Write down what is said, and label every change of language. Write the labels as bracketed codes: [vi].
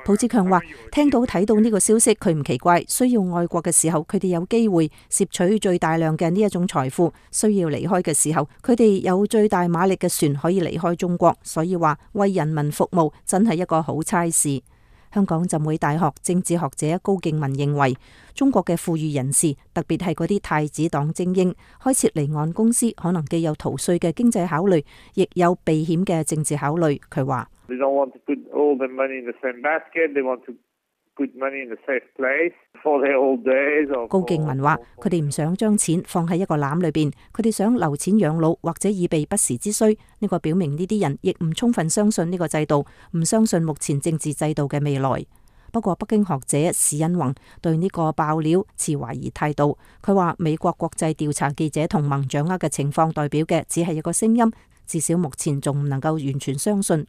[zh] 蒲志强说，听到看到这个消息他不奇怪，需要爱国的时候他们有机会摄取最大量的这种财富，需要离开的时候他们有最大马力的船可以离开中国，所以说为人民服务真是一个好差事。香港浸会大学政治学者高敬文认为，中国的富裕人士，特别是那些太子党精英，开设离岸公司可能既有逃税的经济考虑，亦有避险的政治考虑。他说 [en] They don't want to put all the money in the same basket. They want to put money in the safe place for their old days. [zh] 高敬文说，他们不想将钱放在一个篮里面，他们想留钱养老或者以备不时之需。这个表明这些人亦不充分相信这个制度，不相信目前政治制度的未来。不过北京学者史恩宏对这个爆料持怀疑态度，他说美国国际调查记者同盟掌握的情况代表的只是一个声音，至少目前还不能够完全相信。